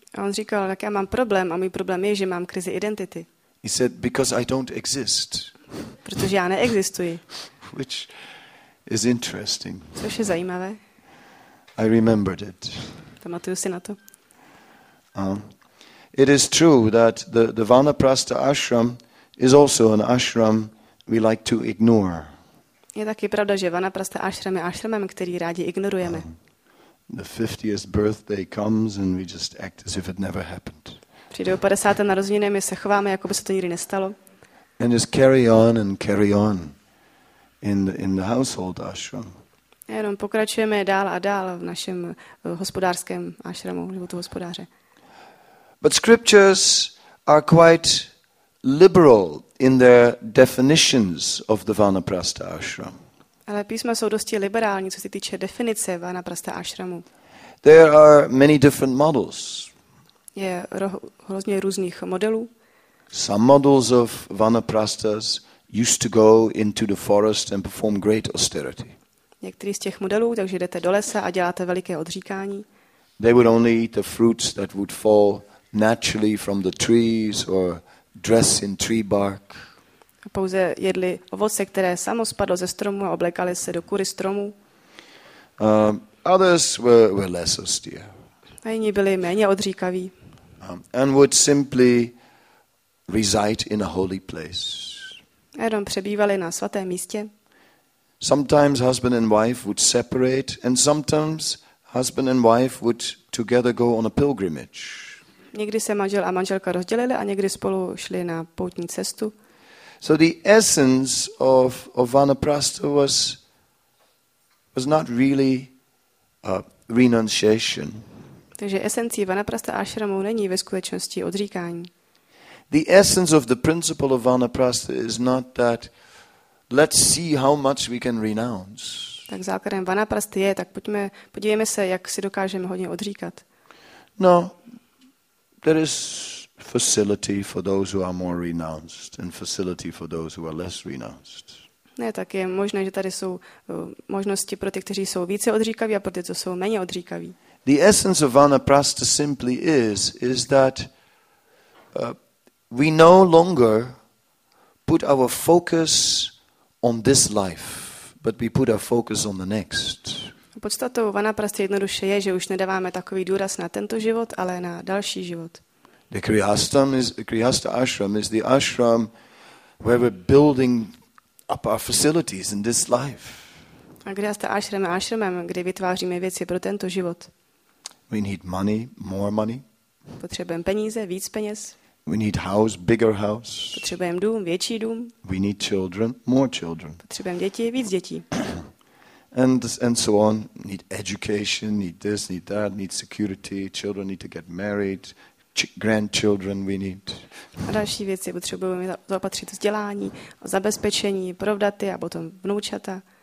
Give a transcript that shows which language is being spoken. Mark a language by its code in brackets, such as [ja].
[cs] A on říkal, tak já mám problém a můj problém je, že mám krizi identity. [en] He said because I don't exist. [cs] Protože já neexistuji. [en] Which is interesting. [cs] Což je zajímavé. [en] I remembered it. [cs] Pamatuju si na to. [en] It is true that the Vanaprastha ashram is also an ashram we like to ignore. [cs] Je taky pravda, že Vanaprastha ashram je ashramem, který rádi ignorujeme. [en] The 50th birthday comes and we just act as if it never happened. [cs] Přijde o 50. narozeniny, my se chováme, jako by se to nikdy nestalo. [en] And just carry on and carry on in the household ashram. [cs] A jenom pokračujeme dál a dál v našem hospodářském ashramu, životu hospodáře. [en] But scriptures are quite liberal in their definitions of the Vanaprastha ashram. [cs] Ale písma jsou dosti liberální, co se týče definice Vanaprastha ashramu. [en] There are many different models. [cs] Je hrozně různých modelů. [en] Some models of Vanaprasthas used to go into the forest and perform great austerity. [cs] Některý z těch modelů, takže jdete do lesa a děláte veliké odříkání. [en] They would only eat the fruits that would fall naturally from the trees or dress in tree bark. [cs] Pouze jedli ovoce, které samo spadlo ze stromu a oblékali se do kůry stromu. [en] Others were less austere. [cs] A jiní byli méně odříkaví. [en] And would simply reside in a holy place. [cs] A jenom přebývali na svatém místě. [en] Sometimes husband and wife would separate and sometimes husband and wife would together go on a pilgrimage. [cs] Někdy se manžel a manželka rozdělili a někdy spolu šli na poutní cestu. [en] So the essence of Vanaprastha was was not really a renunciation. [cs] Takže esencí vanaprastha ashramu není ve skutečnosti odříkání. [en] The essence of the principle of vanaprastha is not that let's see how much we can renounce. [cs] Tak základem vanaprasty je, tak pojďme, podívejme se, jak si dokážeme hodně odříkat. [en] No, there is facility for those who are more renounced and facility for those who are less renounced. [cs] Ne, tak je možné, že tady jsou možnosti pro ty, kteří jsou více odříkaví a pro ty, co jsou méně odříkaví. [en] The essence of vanaprastha simply is that we no longer put our focus on this life, but we put our focus on the next. [cs] Podstatou vanaprasty jednoduše je, že už nedáváme takový důraz na tento život, ale na další život. [en] The Krihastha ashram is the ashram where we're building up our facilities in this life. [cs] A Krihastha ashram je ashramem, kde vytváříme věci pro tento život. [en] We need money, more money. [cs] Potřebujeme peníze, víc peněz. [en] We need house, bigger house. [cs] Potřebujeme dům, větší dům. [en] We need children, more children. [cs] Potřebujeme děti, víc dětí. [en] And so on. Need education, need this, need that, need security. Children need to get married. Grandchildren we need. [cs] A další věci potřebujeme zaopatřit vzdělání, zabezpečení, provdaty a potom vnoučata.